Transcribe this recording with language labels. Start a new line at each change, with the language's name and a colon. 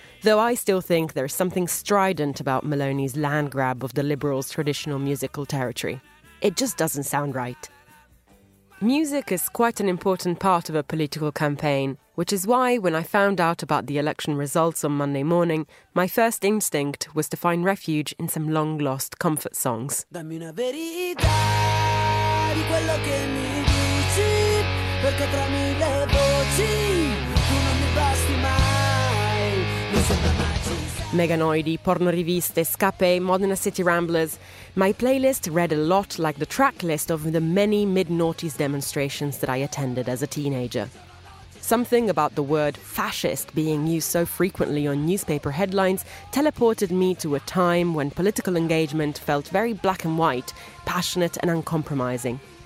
English: Though I still think there's something strident about Maloney's land grab of the Liberals' traditional musical territory. It just doesn't sound right. Music is quite an important part of a political campaign, which is why when I found out about the election results on Monday morning, my first instinct was to find refuge in some long-lost comfort songs.
Italian: Dammi una verità di quello che mi dici, perché tra mille voci tu non mi basti mai. Meganoidi, Porno Riviste, Scape, Modena City Ramblers.
English: My playlist read a lot like the track list of the many mid-noughties demonstrations that I attended as a teenager. Something about the word fascist being used so frequently on newspaper headlines teleported me to a time when political engagement felt very black and white, passionate and uncompromising.